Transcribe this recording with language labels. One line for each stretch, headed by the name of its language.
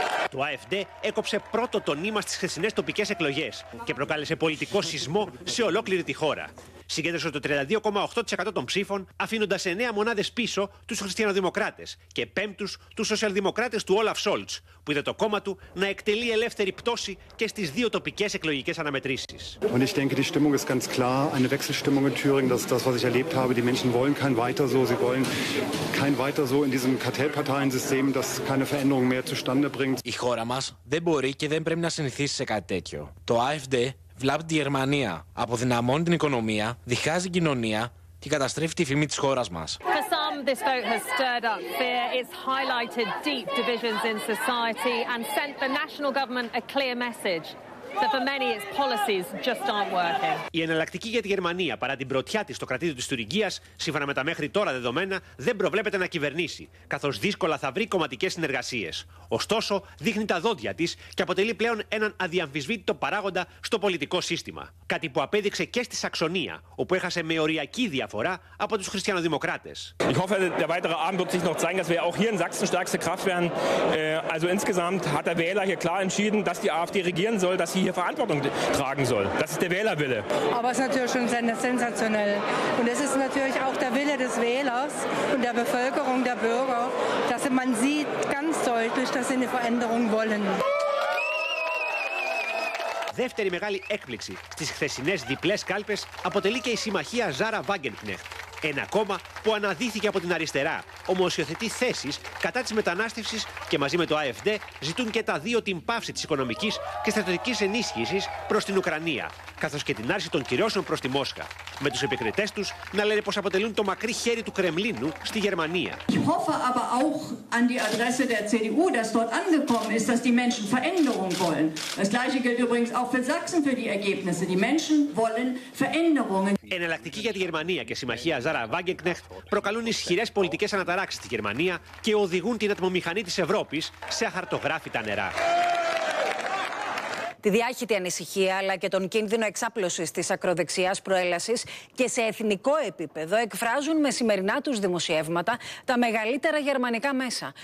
Greek: Το AfD έκοψε πρώτο το νήμα στις χθεσινές τοπικές εκλογές και προκάλεσε πολιτικό σεισμό σε ολόκληρη τη χώρα. Συγκέντρωσε το 32,8% των ψήφων, αφήνοντας 9 μονάδες πίσω τους χριστιανοδημοκράτες και πέμπτους τους σοσιαλδημοκράτες του Όλαφ Σόλτς, που είδε το κόμμα του να εκτελεί ελεύθερη πτώση και στις δύο τοπικές εκλογικές αναμετρήσεις.
German: Und ich denke, die Stimmung ist ganz klar, eine Wechselstimmung in Thüringen, das ist das, was ich erlebt habe. Die Menschen wollen kein weiter so, sie wollen kein weiter so in diesem Kartellparteiensystem, das keine Veränderung mehr zustande bringt.
Greek: Η χώρα μας δεν μπορεί και δεν πρέπει να συνηθίσει σε κάτι τέτοιο. Το AfD βλάπτει τη Γερμανία, αποδυναμώνει την οικονομία, διχάζει την κοινωνία και καταστρέφει τη φήμη της χώρας μας.
English: For some, this vote has stirred up fear. It's highlighted deep divisions in society and sent the national government a clear message.
Greek: Η Εναλλακτική για τη Γερμανία, παρά την πρωτιά της στο κρατήδιο της Θουριγκίας, σύμφωνα με τα μέχρι τώρα δεδομένα, δεν προβλέπεται να κυβερνήσει, καθώς δύσκολα θα βρει κομματικές συνεργασίες. Ωστόσο, δείχνει τα δόντια της και αποτελεί πλέον έναν αδιαμφισβήτητο παράγοντα στο πολιτικό σύστημα. Κάτι που απέδειξε και στη Σαξονία, όπου έχασε με οριακή διαφορά από τους χριστιανοδημοκράτες.
German: Ich hoffe, der weitere Abend wird sich noch zeigen, dass wir auch hier in Sachsen stärkste Kraft werden. Also insgesamt hat der Wähler hier klar entschieden, dass die AfD regieren soll, dass hier Verantwortung tragen soll. Das ist der Wählerwille. Aber es ist natürlich schon sensationell. Und es ist natürlich auch der Wille des Wählers und der Bevölkerung, der Bürger, dass man sieht ganz deutlich, dass sie eine Veränderung wollen.
Greek: Δεύτερη μεγάλη έκπληξη στις χθεσινές διπλές κάλπες αποτελεί και η συμμαχία Ζάρα Βάγκενκνεχτ. Ένα κόμμα που αναδύθηκε από την αριστερά, όμως υιοθετεί θέσεις κατά της μετανάστευσης και μαζί με το AfD ζητούν και τα δύο την πάυση της οικονομικής και στρατιωτικής ενίσχυσης προς την Ουκρανία, καθώς και την άρση των κυρώσεων προς τη Μόσχα. Με τους επικριτές τους να λένε πως αποτελούν το μακρύ χέρι του Κρεμλίνου στη Γερμανία.
German: Ich hoffe aber auch an die Adresse der CDU, dass dort angekommen ist, dass die Menschen Veränderung wollen. Das gleiche gilt übrigens auch für Sachsen für die Ergebnisse. Die Menschen wollen Veränderungen.
Greek: Εναλλακτική για τη Γερμανία και συμμαχία Ζάρα Βάγκενκνεχτ προκαλούν ισχυρές πολιτικές αναταράξεις στη Γερμανία και οδηγούν την ατμομηχανή της Ευρώπης σε αχαρτογράφητα νερά. Τη διάχυτη ανησυχία αλλά και τον κίνδυνο εξάπλωσης της ακροδεξιάς προέλασης και σε εθνικό επίπεδο εκφράζουν με σημερινά τους δημοσιεύματα τα μεγαλύτερα γερμανικά μέσα.